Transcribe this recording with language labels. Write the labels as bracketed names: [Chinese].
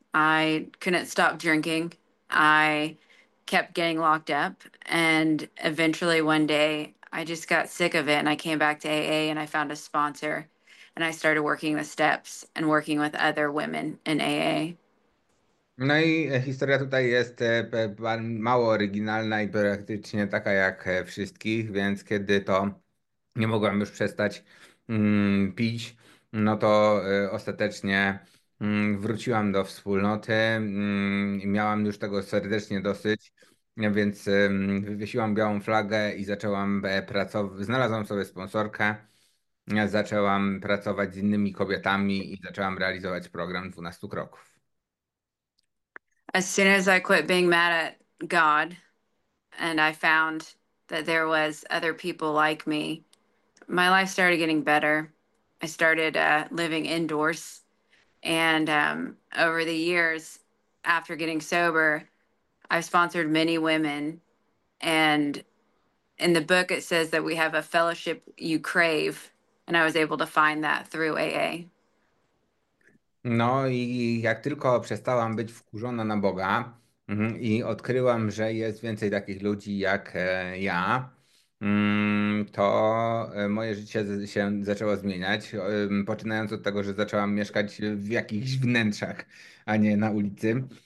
[English] I couldn't stop drinking. I kept getting locked up. And eventually, one day, I just got sick of it. And I came back to AA and I found a sponsor. And I started working the steps and working with other women in AA. [Polish] No i historia tutaj jest mało oryginalna i praktycznie taka jak wszystkich, więc kiedy to nie mogłem już przestać pić, no to ostatecznie wróciłam do wspólnoty. Miałam już tego serdecznie dosyć, więc wywiesiłam białą flagę i zaczęłam pracować. Znalazłam sobie sponsorkę, zaczęłam pracować z innymi kobietami i zaczęłam realizować program 12 kroków. [English] As soon as I quit being mad at God and I found that there was other people like me, my life started getting better. I started living indoors, and over the years after getting sober, I've sponsored many women, and in the book it says that we have a fellowship you crave, and I was able to find that through AA. [Polish] No i jak tylko przestałam być wkurzona na Boga i odkryłam, że jest więcej takich ludzi jak ja, to moje życie się zaczęło zmieniać, poczynając od tego, że zaczęłam mieszkać w jakichś wnętrzach, a nie na ulicy.